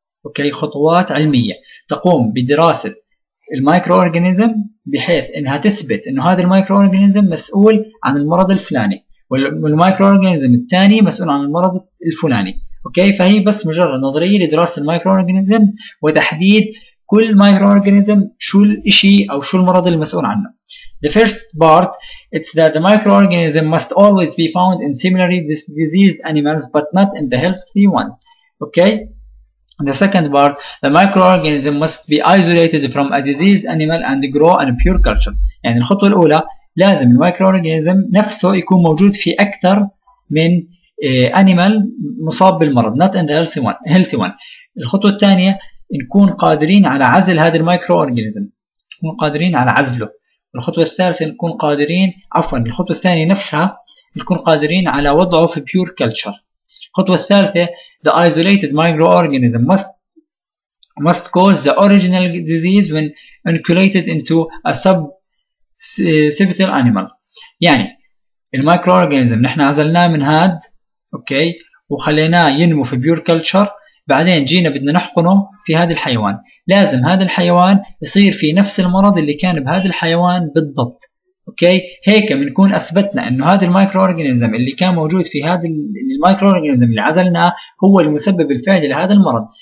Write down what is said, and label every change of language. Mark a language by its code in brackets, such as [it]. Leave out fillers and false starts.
[ar] أوكي، خطوات علمية تقوم بدراسة الميكروأورجانيزم بحيث انها تثبت انه هذا الميكروأورجانيزم مسؤول عن المرض الفلاني، والميكروأورجانيزم الثاني مسؤول عن المرض الفلاني. اوكي، فهي بس مجرد نظريه لدراسه الميكروأورجانيزمز وتحديد كل ميكروأورجانيزم شو الشيء او شو المرض المسؤول عنه. [en] The first part it's that the microorganism must always be found in similarly diseased animals but not in the healthy ones. Okay, and the second part the microorganism must be isolated from a diseased animal and grow in a pure culture. [ar] يعني الخطوه الاولى لازم الميكروأورجانيزم نفسه يكون موجود في اكثر من animal مصاب بالمرض [en] not in the healthy one. [ar] الخطوة الثانية نكون قادرين على عزل هذا الميكروأورجانيزم، نكون قادرين على عزله. الخطوة الثالثة نكون قادرين الخطوة الثانية نفسها نكون قادرين على وضعه في pure culture. الخطوة الثالثة [en] the isolated microorganism must cause the original disease when inoculated into a subcipital animal. [ar] يعني الميكروأورجانيزم نحن عزلناه من هاد اوكي وخليناه ينمو في بيور كلتشر، بعدين جينا بدنا نحقنه في هذا الحيوان، لازم هذا الحيوان يصير في نفس المرض اللي كان بهذا الحيوان بالضبط. اوكي، هيك بنكون اثبتنا انه هذا المايكرو اورجانيزم اللي كان موجود في هذا المايكرو اورجانيزم اللي عزلناه هو المسبب الفعلي لهذا المرض.